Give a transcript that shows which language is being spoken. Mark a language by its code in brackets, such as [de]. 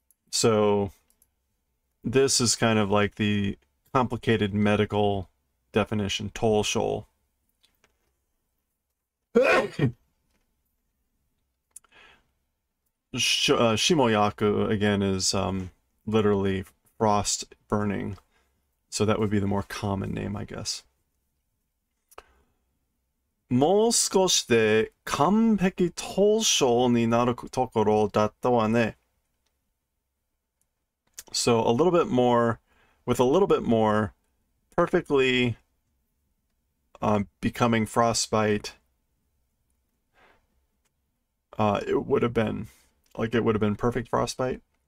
[en] So this is kind of like the complicated medical definition, toll shoal. Shimoyaku again is literally frost burning. So that would be the more common name, I guess. [ja] もう少しで完璧投手になるところだったわね。 [en] So a little bit more, with a little bit more, perfectly becoming frostbite, it would have been, like it would have been perfect frostbite.